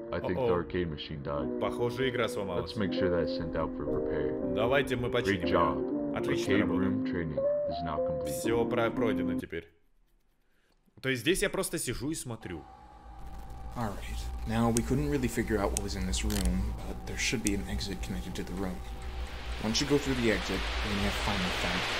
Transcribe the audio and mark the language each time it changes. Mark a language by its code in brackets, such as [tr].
[en] I think the arcade machine died. [ru] Похоже, игра сломалась. [en] Let's make sure that it's sent out for repair. [ru] Давайте мы починим. [en] Great job. [ru] Отличная [en] arcade room training is now complete. [ru] Все пройдено теперь. То есть здесь я просто сижу и смотрю. [en] All right. Now we couldn't really figure out what was in this room, but there should be an exit connected to the room. Once you go through the exit, then you have final thing.